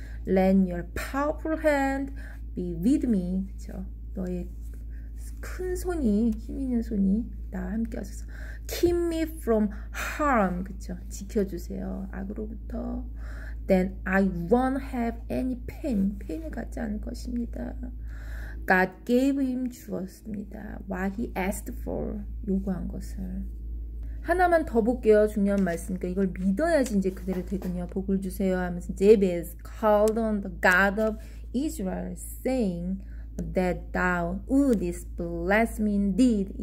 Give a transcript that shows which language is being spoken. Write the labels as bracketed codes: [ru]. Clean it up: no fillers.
[en] Let your powerful hand be with me [ko] 그렇죠? 너의 큰 손이 힘 있는 손이 나와 함께 하소서. [en] Keep me from harm [ko] 그렇죠? 지켜주세요. 악으로부터. [en] Then I won't have any pain. [ko] 페인을 갖지 않을 것입니다. [en] God gave him [ko] 주었습니다. [en] Why he asked for [ko] 요구한 것을 하나만 더 볼게요. 중요한 말씀이니까 이걸 믿어야지 이제 그대로 되군요. 복을 주세요 하면서 [en] Jabez called on the God of Israel, saying that thou wouldest bless me indeed.